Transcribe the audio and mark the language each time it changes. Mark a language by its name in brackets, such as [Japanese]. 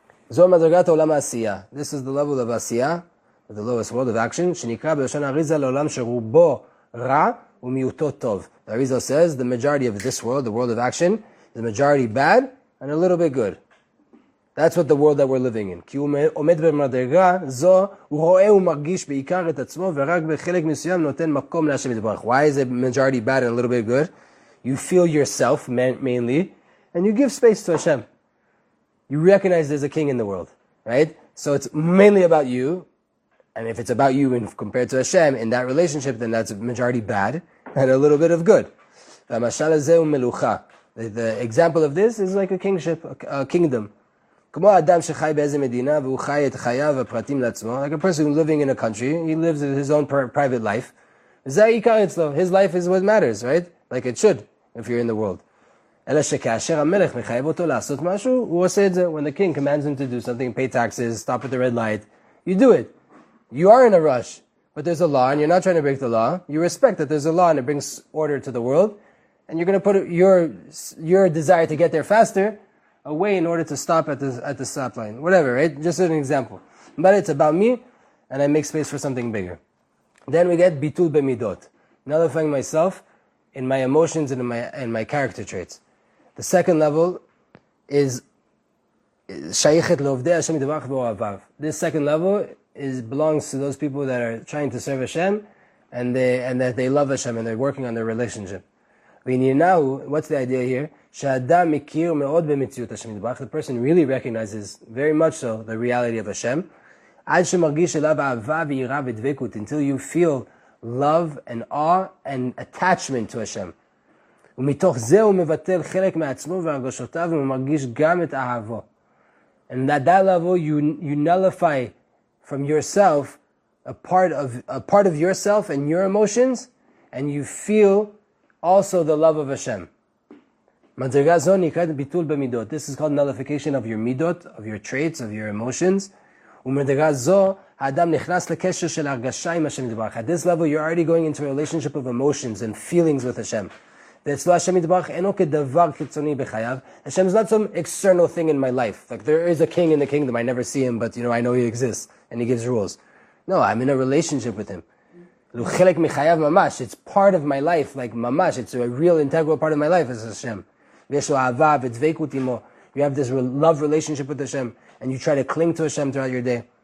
[Hebrew] זו מדרגת עולם העשייה. [English] This is the level of עשייה, the lowest world of action, [Hebrew] שנקרא בלשון אריזה לעולם שרובו רע ומיעוטו טוב. [English] The Arizal says, the majority of this world, the world of action, the majority bad and a little bit good. That's what the world that we're living in. [Hebrew] כי הוא עומד במדרגה זו, הוא רואה ומרגיש בעיקר את עצמו, ורק בחלק מסוים נותן מקום להשם יתברך. [English] Why is the majority bad and a little bit good? You feel yourself mainly, and you give space to Hashem. You recognize there's a king in the world, right? So it's mainly about you, and if it's about you and compared to Hashem in that relationship, then that's majority bad and a little bit of good. [Hebrew] והמשל הזה הוא מלוכה. [English] The example of this is like a kingship, a kingdom. [Hebrew] כמו אדם שחי באיזה מדינה והוא חי את חייו הפרטים לעצמו, [English] like a person living in a country, he lives his own private life. [Hebrew] זה העיקר אצלו, [English] his life is what matters, right? Like it should, if you're in the world. [Hebrew] אלא שכאשר המלך מחייב אותו לעשות משהו, הוא עושה את זה. [English] When the king commands him to do something, pay taxes, stop at the red light, you do it. You are in a rush, but there's a law and you're not trying to break the law. You respect that there's a law and it brings order to the world. And you're going to put your desire to get there faster away in order to stop at the stop line. Whatever, right? Just an example. But it's about me and I make space for something bigger. Then we get bitul b'midot. Nullifying myself in my emotions and in my character traits. The second level is [Hebrew] shayichet l'ovdei Hashem yitbarach v'ohavav. [English] This second level belongs to those people that are trying to serve Hashem and that they love Hashem and they're working on their relationship. [Hebrew] V'inyinahu, [English] what's the idea here? [Hebrew] Sha'adam mikir me'od b'mitziyut Hashem yitbarach. [English] The person really recognizes very much so the reality of Hashem. [Hebrew] Ad shemargish elav ahava v'yira v'dvekut, [English] until you feel love and awe and attachment to Hashem. [Hebrew] ומתוך זה הוא מבטל חלק מעצמו והרגשותיו ומרגיש גם את אהבו. [English] And at that level you nullify from yourself a part of yourself and your emotions, and you feel also the love of Hashem. [Hebrew] מדרגה זו נקראת ביטול במידות. [English] This is called nullification of your midot, of your traits, of your emotions. [Hebrew] ומדרגה זו האדם נכנס לקשר של הרגשה עם השם יתברך. [English] At this level you're already going into a relationship of emotions and feelings with Hashem. [Hebrew] ואצלו השם יתברך אינו כדבר חיצוני בחייו. [English] Hashem is not some external thing in my life. Like there is a king in the kingdom, I never see him, but you know, I know he exists and he gives rules. No, I'm in a relationship with him. [Hebrew] הוא חלק מחייו ממש. [English] It's part of my life, like ממש. It's a real integral part of my life as Hashem. [Hebrew] ויש לו אהבה ודבקות עמו. [English] You have this love relationship with Hashem and you try to cling to Hashem throughout your day.